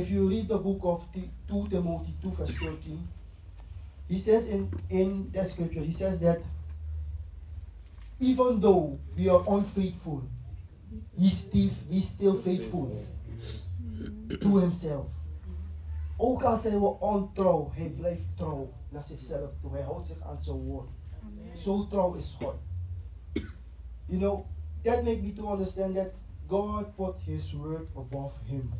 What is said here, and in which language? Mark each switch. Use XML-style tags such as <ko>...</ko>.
<en>If you read the book of 2 Timothy 2 verse 13, he says in that scripture, he says that even though we are unfaithful, He's still faithful to himself.</en> <nl>Ook als hij wordt ontrouw, hij blijft trouw naar zichzelf toe. Hij houdt zich aan zijn woord. Zo trouw is God.</nl> <en>You know, that make me to understand that God put his word above him.</en>